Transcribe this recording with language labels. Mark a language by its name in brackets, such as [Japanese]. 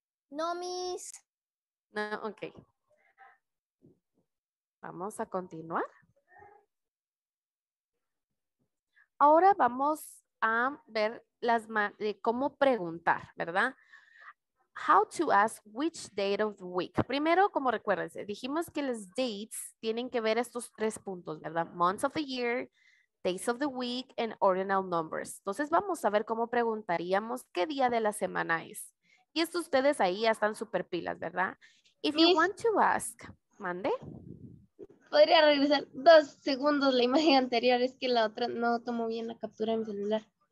[English] No, miss. [Spanish] No, ok. Vamos a continuar. Ahora vamos a ver las cómo preguntar, ¿verdad? [English] How to ask which date of the week. [Spanish] Primero, como recuérdense, dijimos que las dates tienen que ver estos tres puntos, ¿verdad? [English] Months of the year, days of the week, and ordinal numbers. [Spanish] Entonces, vamos a ver cómo preguntaríamos qué día de la semana es. Y esto ustedes ahí ya están súper pilas, ¿verdad? [English] If you want to ask, [Spanish] mande. Podría regresar 2 segundos la imagen anterior, es que la otra no tomó bien la captura en mi celular.